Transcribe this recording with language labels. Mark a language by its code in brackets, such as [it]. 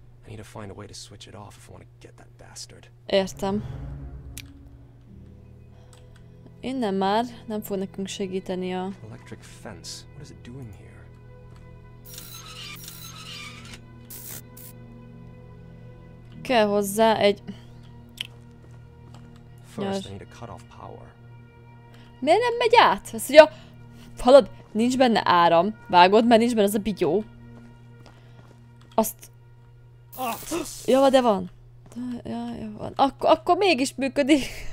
[en] Need to find a way to switch it off if I want to get that bastard. [hu] Értem. Innen már nem fog nekünk segíteni a... [en] Electric fence. What is it doing here? [hu] Kell hozzá egy... [en] First, I need to cut off power. [hu] Miért nem megy át? Ezt ugye a... Hallod, nincs benne áram. Vágod, mert nincs benne ez a bigyó. Azt... Ja, de van. Ja, van. Akkor mégis működik.